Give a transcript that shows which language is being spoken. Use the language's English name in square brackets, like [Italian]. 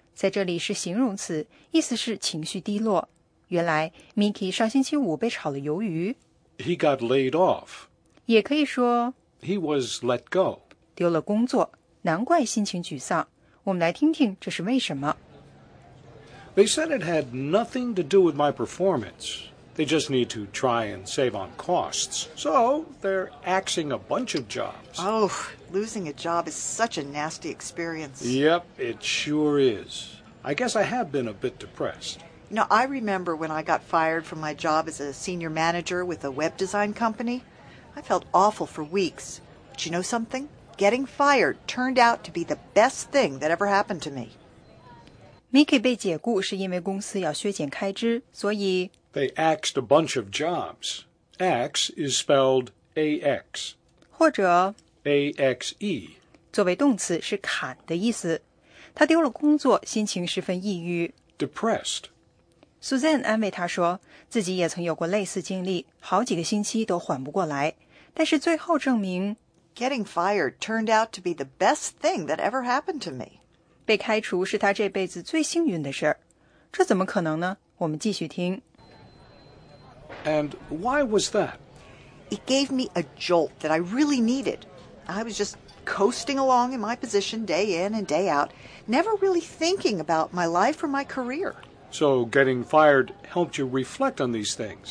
[Chinese] 在这里是形容词，意思是情绪低落。原来 Mickey 上星期五被炒了鱿鱼。 [English] He got laid off. [Chinese] 也可以说 [English] He was let go. [Chinese] 丢了工作，难怪心情沮丧。我们来听听这是为什么。 [English] They said it had nothing to do with my performance. They just need to try and save on costs. So, they're axing a bunch of jobs. Oh, losing a job is such a nasty experience. Yep, it sure is. I guess I have been a bit depressed. No, I remember when I got fired from my job as a senior manager with a web design company. I felt awful for weeks. But you know something? Getting fired turned out to be the best thing that ever happened to me. [Chinese] Mickey 被解雇是因为公司要削减开支，所以 [English] They axed a bunch of jobs. Axe is spelled A-X. [Chinese] 或者 [English] A-X-E. [Chinese] 作为动词是砍的意思。他丢了工作，心情十分抑郁。 [English] Depressed. [Chinese] Suzanne 安慰他说，自己也曾有过类似经历，好几个星期都缓不过来，但是最后证明 [English] Getting fired turned out to be the best thing that ever happened to me. [Chinese] 被开除是他这辈子最幸运的事儿，这怎么可能呢？我们继续听。 [English] And why was that? It gave me a jolt that I really needed. I was just coasting along in my position day in and day out, never really thinking about my life or my career. So getting fired helped you reflect on these things.